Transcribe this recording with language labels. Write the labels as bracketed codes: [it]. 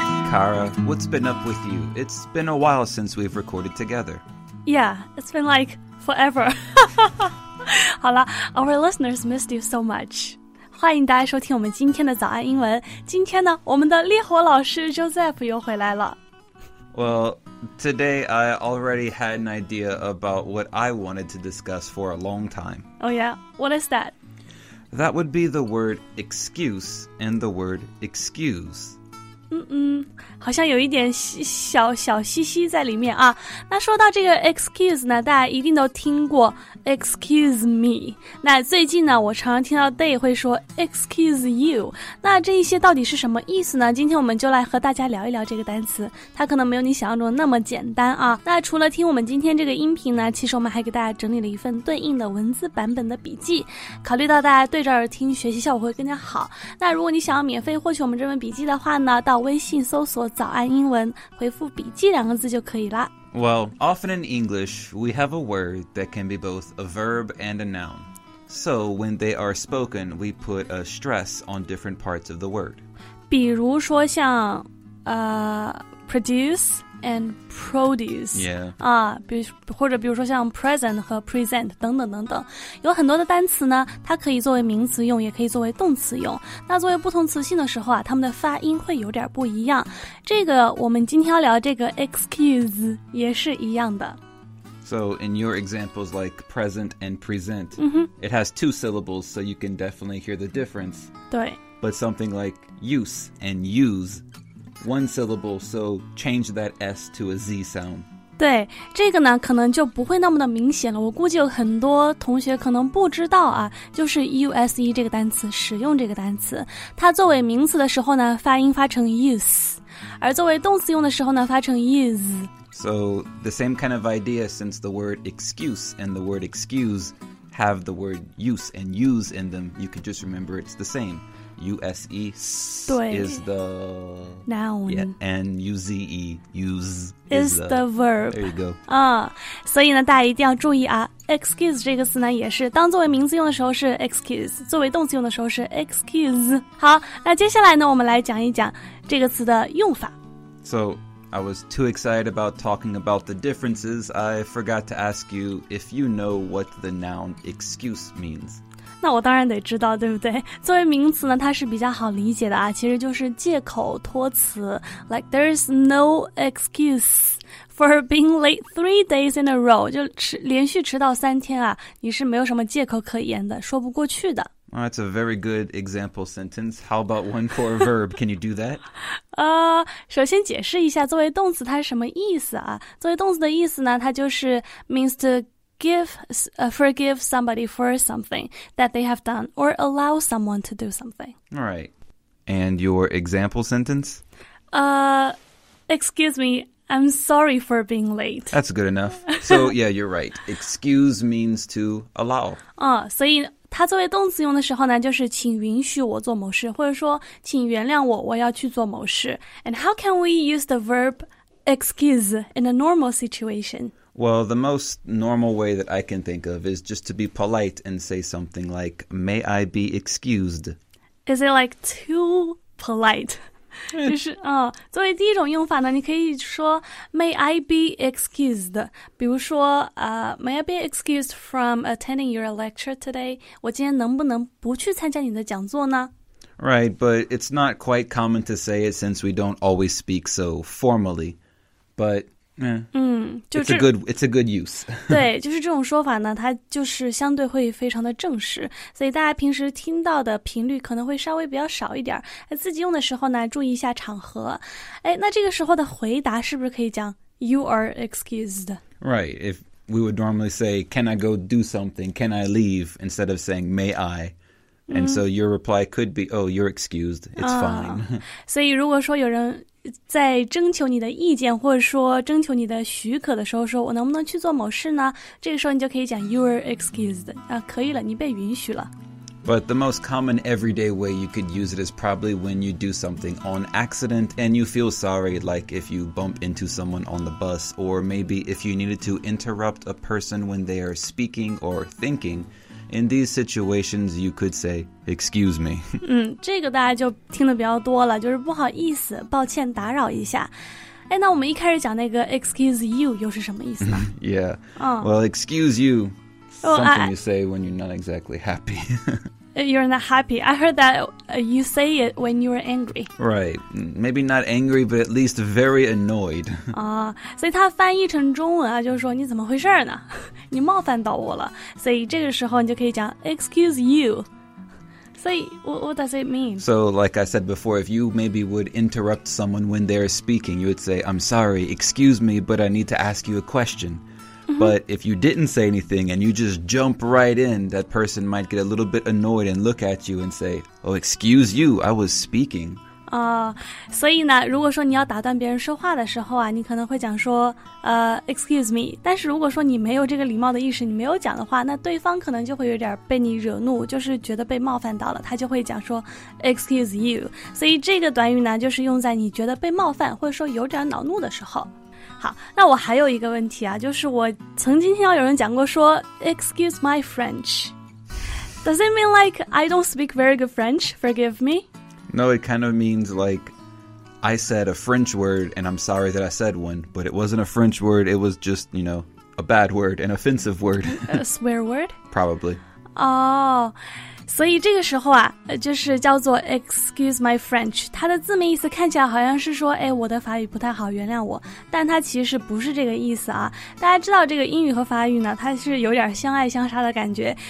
[en] Tara, what's been up with you? It's been a while since we've recorded together. Yeah, it's been like forever. [zh] 好了 [en] ，Our listeners missed you so much. [zh] 欢迎大家收听我们今天的早安英文。今天呢，我们的烈火老师 Joseph 又回来了。 [en] Well, today I already had an idea about what I wanted to discuss for a long time. Oh yeah, what is that? That would be the word excuse and the word excuse. [zh] 好像有一点小小嘻嘻在里面啊。那说到这个 excuse 呢，大家一定都听过 [en] excuse me。 [zh] 那最近呢，我常常听到 day 会说 [en] excuse you。 [zh] 那这一些到底是什么意思呢？今天我们就来和大家聊一聊这个单词。它可能没有你想象中那么简单啊。那除了听我们今天这个音频呢，其实我们还给大家整理了一份对应的文字版本的笔记。考虑到大家对着耳听，学习效果会更加好。那如果你想要免费获取我们这份笔记的话呢，到微信搜索早安英文回复笔记两个字就可以了。 [en] Well, often in English, we have a word that can be both a verb and a noun. So when they are spoken, we put a stress on different parts of the word. [zh] 比如说像produce and produce. [en] Yeah. [zh] 或者比如说像 present 和 present 等等等等。有很多的单词呢，它可以作为名词用，也可以作为动词用。那作为不同词性的时候啊，它们的发音会有点不一样。这个我们今天要聊这个 excuse 也是一样的。 [en] So in your examples like present and present,、 mm-hmm. it has two syllables, so you can definitely hear the difference. [zh] 对。 [en] But something like use and use,One syllable, so change that S to a Z sound. [zh] 对，这个呢可能就不会那么的明显了。我估计有很多同学可能不知道啊，就是 use 这个单词，使用这个单词。它作为名词的时候呢，发音发成 use， 而作为动词用的时候呢，发成 use。 [en] So the same kind of idea, since the word excuse and the word excuse have the word use and use in them, you could just remember it's the same. U-S-E is the noun. Yeah, and U-Z-E, use, is the verb. There you go. [zh] 所以呢大家一定要注意啊 excuse 这个词呢也是当作为名词用的时候是 excuse, 作为动词用的时候是 excuse. 好那接下来呢我们来讲一讲这个词的用法。 [en] So, I was too excited about talking about the differences. I forgot to ask you if you know what the noun excuse means. [zh] 那我当然得知道对不对作为名词呢它是比较好理解的啊其实就是借口托词 [en] Like there's no excuse for being late 3 days in a row [zh] 就连续迟到三天啊你是没有什么借口可言的说不过去的 [en] well, That's a very good example sentence How about one for a verb? Can you do that? [zh] 首先解释一下作为动词它是什么意思啊作为动词的意思呢它就是 [en] means toforgive somebody for something that they have done or allow someone to do something. All right. And your example sentence? Excuse me, I'm sorry for being late. That's good enough. So, yeah, you're right. Excuse means to allow. [zh] 所以它作为动词用的时候呢就是请允许我做某事或者说请原谅我我要去做某事。 [en] And how can we use the verb excuse in a normal situation? Well, the most normal way that I can think of is just to be polite and say something like, may I be excused? Is it like too polite? [zh] 就是作为第一种用法呢你可以说 [en] may I be excused? [zh] 比如说 [en] may I be excused from attending your lecture today? [zh] 我今天能不能不去参加你的讲座呢 [en] Right, but it's not quite common to say it since we don't always speak so formally. But... It's a good use. [zh] 对，就是这种说法呢，它就是相对会非常的正式，所以大家平时听到的频率可能会稍微比较少一点。自己用的时候呢，注意一下场合。哎，那这个时候的回答是不是可以讲 [en] "You are excused"? Right. If we would normally say, "Can I go do something? Can I leave?" instead of saying, "May I?" And so your reply could be, "Oh, you're excused. It's fine." [zh] 所以如果说有人在征求你的意见或者说征求你的许可的时候说我能不能去做某事呢这个时候你就可以讲 [en] you are excused [zh] 啊，可以了你被允许了 [en] But the most common everyday way you could use it is probably when you do something on accident and you feel sorry like if you bump into someone on the bus or maybe if you needed to interrupt a person when they are speaking or thinking In these situations, you could say, excuse me. [zh] 这个大家就听得比较多了，就是不好意思，抱歉打扰一下。哎，那我们一开始讲那个 excuse you 又是什么意思呢？ [en] Yeah,、oh. well, excuse you, something you say when you're not exactly happy. You're not happy. I heard that you say it when you're angry. Right. Maybe not angry, but at least very annoyed. [zh] 啊、所以它翻译成中文啊，就是说你怎么回事呢？你冒犯到我了。所以这个时候你就可以讲 [en] excuse you. Say, what does it mean? So, like I said before, if you maybe would interrupt someone when they're speaking, you would say, I'm sorry, excuse me, but I need to ask you a question. Mm-hmm. But if you didn't say anything and you just jump right in, that person might get a little bit annoyed and look at you and say, oh, excuse you, I was speaking. [zh] So, 呢如果说你要打断别人说话的时候啊你可能会讲说 [en] excuse me. [zh] 但是如果说你没有这个礼貌的意识你没有讲的话那对方可能就会有点被你惹怒就是觉得被冒犯到了他就会讲说 [en] excuse you. [zh] 所以这个短语呢就是用在你觉得被冒犯或者说有点恼怒的时候。好那我还有一个问题啊就是我曾经听到有人讲过说 [en] excuse my French. Does it mean like I don't speak very good French? Forgive me? No, it kind of means like I said a French word and I'm sorry that I said one, but it wasn't a French word. It was just, you know, a bad word, an offensive word. A swear word? Probably. [zh] Oh, 所以这个时候啊就是叫做 [en] excuse my French. [zh] 它的字面意思看起来好像是说哎，我的法语不太好原谅我。但它其实不是这个意思啊。大家知道这个英语和法语呢它是有点相爱相杀的感觉。